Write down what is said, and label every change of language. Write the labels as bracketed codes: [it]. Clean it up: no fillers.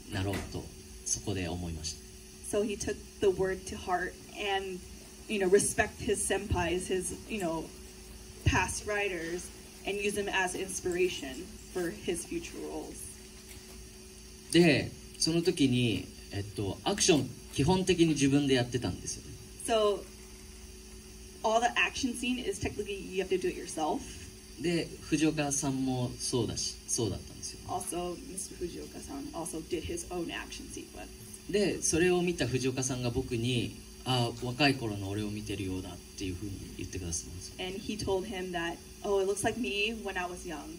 [ja] なろうとそこで思いました。 [en] So he took the word to heart and, you know, respect his senpais, his, you know, past writers and use them as inspiration for his future roles. [ja] で、その時に、アクション基本的に自分でやってたんですよ。 [en] So, all the action scene is technically you have to do it yourself. [ja] で、藤岡さんもそうだし、そうだったんですよ。 [en] Also, Mr. Fujioka-san also did his own action sequence. [ja] で、それを見た藤岡さんが僕に、ああ、若い頃の俺を見てるようだっていうふうに言ってくださったんですよ。 [en] And he told him that, oh, it looks like me when I was young.